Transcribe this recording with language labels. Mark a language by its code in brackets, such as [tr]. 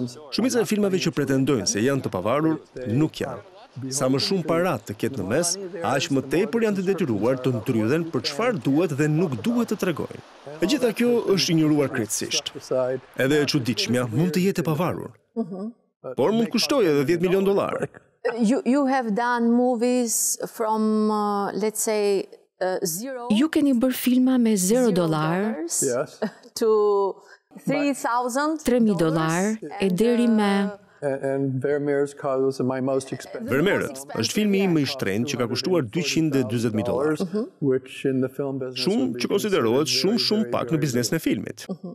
[sq] Shumica e filmave që pretendojnë se janë të pavarur, nuk janë. Sa më shumë parat të ketë në mes, aq më tepër janë të detyruar të ndrydhen për çfarë duhet dhe nuk duhet të tregojnë. E gjitha kjo është ignoruar krejtësisht. Edhe e çuditshmja mund të jetë e pavarur. Por mund kushtojë edhe 10 milion dollarë. [en] You have done movies from let's say zero. [sq] Ju keni bërë filma me 0 dollarë. [en] Yes. To 3.000 [sq] dolar e deri me... Vermeerët është filmi im më I shtrenjtë që ka kushtuar 240.000 dolar. Shumë që konsiderohet shumë pak në biznesin e filmit.